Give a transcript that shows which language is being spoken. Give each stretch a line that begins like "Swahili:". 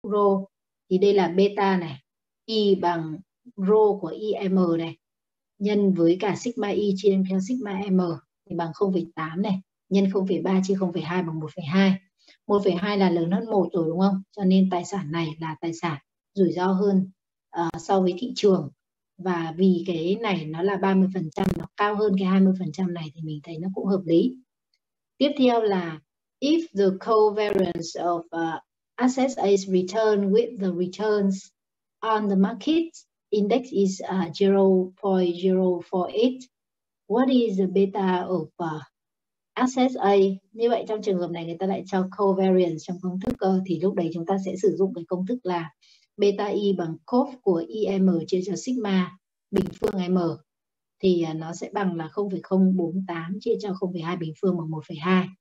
Vietnamese: rho, thì đây là beta này, y bằng rho của im này nhân với cả sigma y chia đem theo sigma m thì bằng 0,8 này, nhân 0,3 chia 0,2 bằng 1,2. 1,2 là lớn hơn 1 rồi đúng không? Cho nên tài sản này là tài sản rủi ro hơn so với thị trường. Và vì cái này nó là 30%, nó cao hơn cái 20% này thì mình thấy nó cũng hợp lý. Tiếp theo là
English: if the covariance of asset A is returned with the returns on the market index is 0.048, what is the beta of asset A?
Vietnamese: Như vậy trong trường hợp này người ta lại cho covariance trong công thức cơ, thì lúc đấy chúng ta sẽ sử dụng cái công thức là beta y bằng cos của im chia cho sigma bình phương m, thì nó sẽ bằng là 0,048 chia cho 0,2 bình phương bằng 1,2.